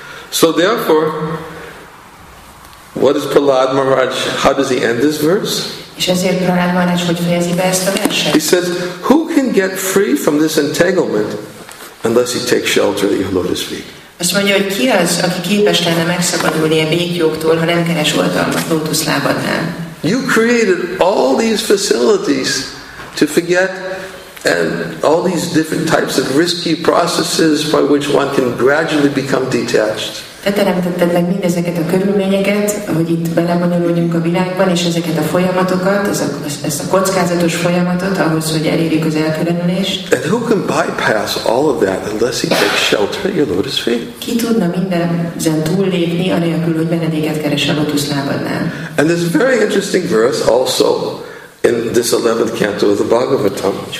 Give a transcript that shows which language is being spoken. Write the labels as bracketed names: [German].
[English] So therefore, what is Prahlad Maharaj, how does he end this verse? [Hungarian] És ezért Prahlad Maharaj, hogy fejezi be ezt a verset? [English] He says, who can get free from this entanglement unless he takes shelter at your lotus feet? [Hungarian] Azt mondja, hogy ki az, aki képes lenne megszabadulni a békjogtól, ha nem keres oltalmat lótuszlábadnál? [English] You created all these facilities to forget and all these different types of risky processes by which one can gradually become detached. [Hungarian] Te teremtetted meg mindezeket a körülményeket, hogy itt belebonyolódjunk a világban, és ezeket a folyamatokat, ezt a kockázatos folyamatot, ahhoz, hogy elérjük az elkülönülést. [English] And who can bypass all of that unless he takes shelter at your lotus feet? [Hungarian] Ki tudna mindezen túllépni, anélkül, hogy benedéket keres a lótuszlábadnál? [English] And there's a very interesting verse also in this 11th canto of the Bhagavatam.